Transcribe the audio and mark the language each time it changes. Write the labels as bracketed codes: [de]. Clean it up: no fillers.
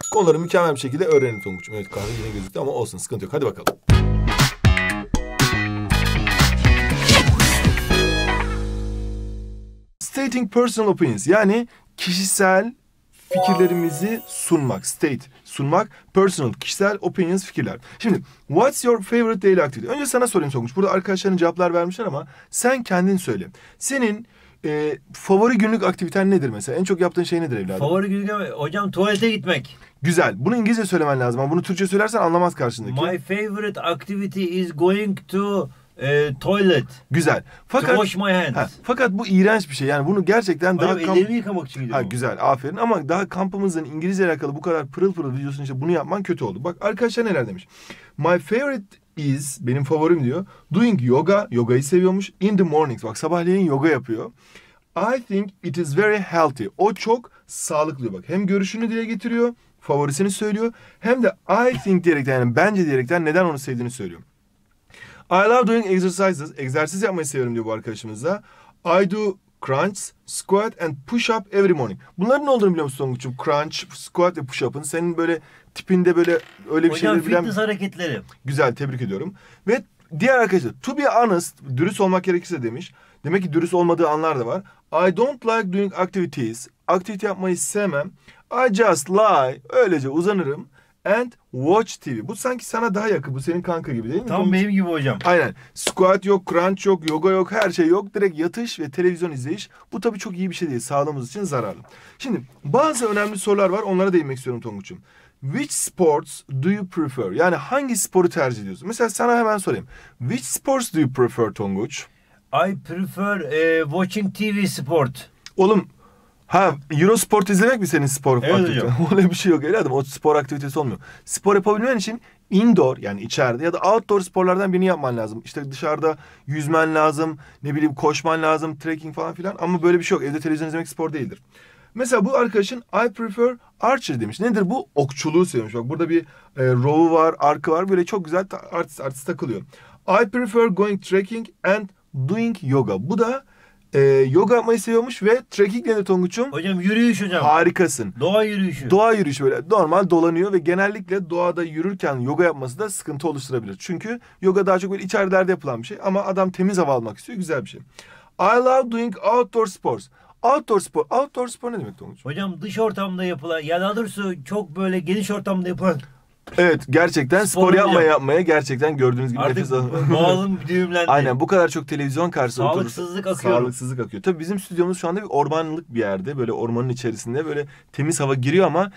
[tr] Konuları mükemmel bir şekilde öğrenelim Tonguç'um. Evet, kahve yine gözüktü ama olsun, sıkıntı yok. Hadi bakalım. [en] Stating personal opinions, [tr] yani kişisel fikirlerimizi sunmak. State, sunmak. Personal, kişisel opinions, fikirler. [en] Şimdi, what's your favorite daily activity? [tr] Önce sana sorayım Tonguç. Burada arkadaşların cevaplar vermişler ama sen kendin söyle. Senin favori günlük aktiviten nedir mesela? En çok yaptığın şey nedir evladım? Favori günlük, hocam, tuvalete gitmek. Güzel. Bunu İngilizce söylemen lazım. Bunu Türkçe söylersen anlamaz karşındaki. [en] My favorite activity is going to toilet. [tr] Güzel. Fakat, [en] to wash my hands. [tr] Fakat bu iğrenç bir şey. Yani bunu gerçekten daha... Hayır, ellerimi yıkamak için gidiyorum. Ha, güzel. Aferin. Ama daha kampımızın İngilizce alakalı bu kadar pırıl pırıl videosunu işte, bunu yapman kötü oldu. Bak arkadaşlar neler demiş. [en] My favorite is, [tr] benim favorim diyor, [en] doing yoga, [tr] yogayı seviyormuş, [en] in the mornings. [tr] Bak sabahleyin yoga yapıyor. [en] I think it is very healthy. [tr] O çok sağlıklı diyor. Bak hem görüşünü dile getiriyor, favorisini söylüyor, hem de [en] I think [tr] diyerekten, yani bence diyerekten neden onu sevdiğini söylüyor. [en] I love doing exercises. [tr] Egzersiz yapmayı seviyorum diyor bu arkadaşımıza. [en] I do crunch, squat and push up every morning. [tr] Bunların ne olduğunu biliyor musun Tonguç'um? Crunch, squat ve push up'ın. Senin böyle tipinde böyle öyle bir şeyler bilen... Hocam fitness hareketleri. Güzel, tebrik ediyorum. Ve diğer arkadaşlar, [en] to be honest, [tr] dürüst olmak gerekirse demiş. Demek ki dürüst olmadığı anlar da var. [en] I don't like doing activities. [tr] Aktivite yapmayı sevmem. [en] I just lie. [tr] Öylece uzanırım. [en] And watch TV. [tr] Bu sanki sana daha yakın. Bu senin kanka gibi değil mi? Tam benim gibi hocam. Aynen. Squat yok, crunch yok, yoga yok, her şey yok. Direkt yatış ve televizyon izleyiş. Bu tabii çok iyi bir şey değil. Sağlığımız için zararlı. Şimdi bazı önemli sorular var. Onlara değinmek istiyorum Tonguç'um. [en] Which sports do you prefer? [tr] Yani hangi sporu tercih ediyorsun? Mesela sana hemen sorayım. [en] Which sports do you prefer Tonguç? I prefer watching TV sport. [tr] Oğlum... Ha, Eurosport izlemek mi senin spor aktivitesi? Evet hocam. Öyle bir şey yok. Evladım, o spor aktivitesi olmuyor. Spor yapabilmen için indoor, yani içeride ya da outdoor sporlardan birini yapman lazım. İşte dışarıda yüzmen lazım, ne bileyim koşman lazım, trekking falan filan. Ama böyle bir şey yok. Evde televizyon izlemek spor değildir. Mesela bu arkadaşın [en] I prefer archery [tr] demiş. Nedir bu? Okçuluğu seviyormuş. Bak burada bir row'u var, arkı var. Böyle çok güzel artist takılıyor. [en] I prefer going trekking and doing yoga. [tr] Bu da yoga yapmayı seviyormuş ve trekking nedir Tonguç'um? Hocam yürüyüş hocam. Harikasın. Doğa yürüyüşü. Doğa yürüyüşü, böyle normal dolanıyor ve genellikle doğada yürürken yoga yapması da sıkıntı oluşturabilir. Çünkü yoga daha çok böyle içerilerde yapılan bir şey ama adam temiz hava almak istiyor, güzel bir şey. [en] I love doing outdoor sports. [tr] Outdoor spor. Outdoor spor ne demek Tonguç'um? Hocam dış ortamda yapılan, ya daha doğrusu çok böyle geniş ortamda yapılan. Evet, gerçekten spor yapmaya yapmaya gerçekten gördüğünüz gibi artık nefes alın. Boğazım düğümlendi. Aynen, bu kadar çok televizyon karşısında oturursun. Sağlıksızlık akıyor. Sağlıksızlık akıyor. Tabii bizim stüdyomuz şu anda bir ormanlık bir yerde. Böyle ormanın içerisinde böyle temiz hava giriyor ama.